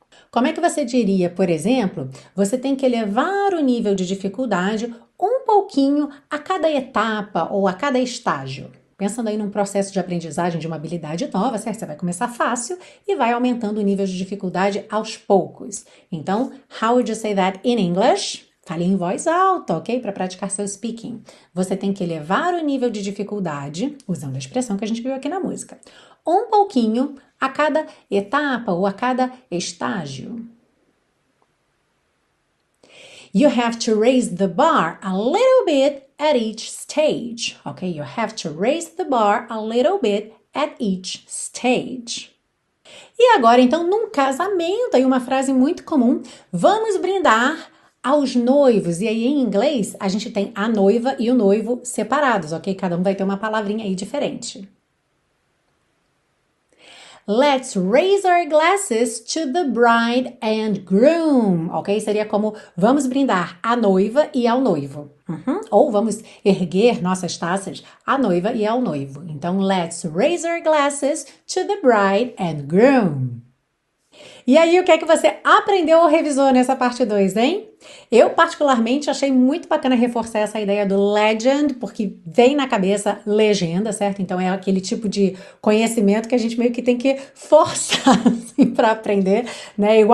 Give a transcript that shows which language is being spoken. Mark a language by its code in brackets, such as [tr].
[pt] Como é que você diria, por exemplo, você tem que elevar o nível de dificuldade um pouquinho a cada etapa ou a cada estágio? Pensando aí num processo de aprendizagem de uma habilidade nova, certo? Você vai começar fácil e vai aumentando o nível de dificuldade aos poucos. Então, [en] how would you say that in English? [pt] Fale em voz alta, ok? Para praticar seu speaking. Você tem que elevar o nível de dificuldade, usando a expressão que a gente viu aqui na música, um pouquinho a cada etapa ou a cada estágio. [en] You have to raise the bar a little bit at each stage. Okay, you have to raise the bar a little bit at each stage. [pt] E agora, então, num casamento, aí uma frase muito comum, vamos brindar aos noivos. E aí, em inglês, a gente tem a noiva e o noivo separados, ok? Cada um vai ter uma palavrinha aí diferente. [en] Let's raise our glasses to the bride and groom, ok? [pt] Seria como vamos brindar à noiva e ao noivo. Ou vamos erguer nossas taças à noiva e ao noivo. Então, [en] let's raise our glasses to the bride and groom. [pt] E aí, o que é que você aprendeu ou revisou nessa parte 2, hein? Eu, particularmente, achei muito bacana reforçar essa ideia do legend, porque vem na cabeça legenda, certo? Então, é aquele tipo de conhecimento que a gente meio que tem que forçar assim, para aprender, né?